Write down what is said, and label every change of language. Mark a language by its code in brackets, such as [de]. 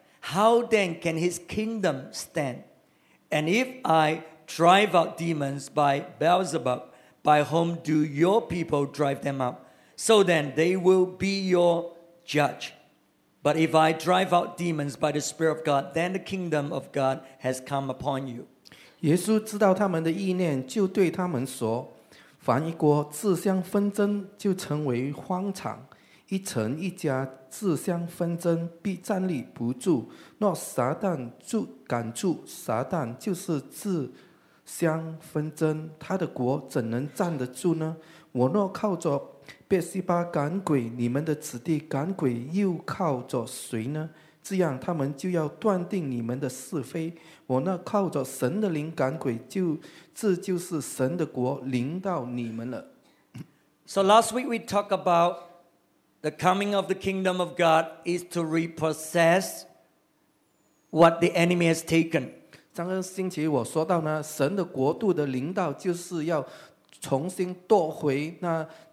[en] How then can his kingdom stand? And if I drive out demons by Beelzebub, by whom do your people drive them out? So then, they will be your judge. But if I drive out demons by the Spirit of God, then the kingdom of God has come upon you. [zh] 耶稣知道他们的意念，就对他们说，凡一国自相纷争，就成为荒场。一城一家自相纷争，必站立不住。若撒旦赶住撒旦，就是自相纷争，他的国怎能站得住呢？我若靠着别西巴赶鬼，你们的子弟赶鬼又靠着谁呢？这样他们就要断定你们的是非。我那靠着神的灵赶鬼，这就是神的国临到你们了。 [en] So last week we talked about the coming of the kingdom of God is to repossess what the enemy has taken. [zh] 上个星期我说到呢，神的国度的临到就是要重新夺回那。